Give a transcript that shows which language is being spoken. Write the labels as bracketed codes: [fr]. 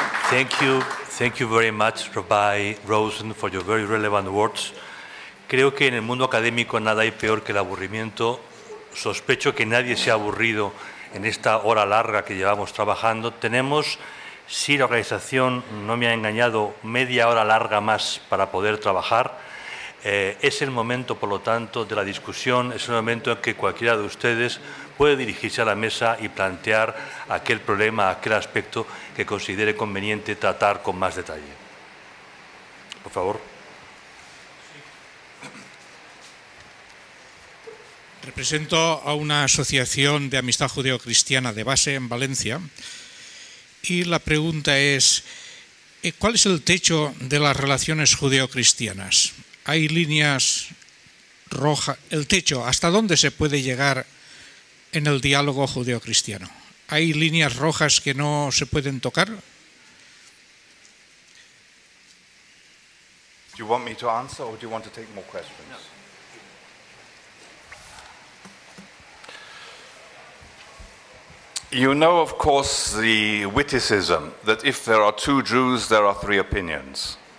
[en] Thank you very much, Rabbi Rosen, for your very relevant words. [es] Creo que en el mundo académico nada hay peor que el aburrimiento. Sospecho que nadie se ha aburrido en esta hora larga que llevamos trabajando. Tenemos, si la organización no me ha engañado, media hora larga más para poder trabajar. Es el momento, por lo tanto, de la discusión. Es el momento en que cualquiera de ustedes puede dirigirse a la mesa y plantear aquel problema, aquel aspecto que considere conveniente tratar con más detalle. Por favor. Represento a una asociación de amistad judeo-cristiana de base en Valencia y la pregunta es, ¿cuál es el techo de las relaciones judeo-cristianas? ¿Hay líneas rojas? ¿El techo? ¿Hasta dónde se puede llegar en el diálogo judeo-cristiano? ¿Hay líneas rojas que no se pueden tocar? [en] Do you want me to answer or do you want to take more questions? No. You know, of course, the witticism that if there are two Jews, there are three opinions.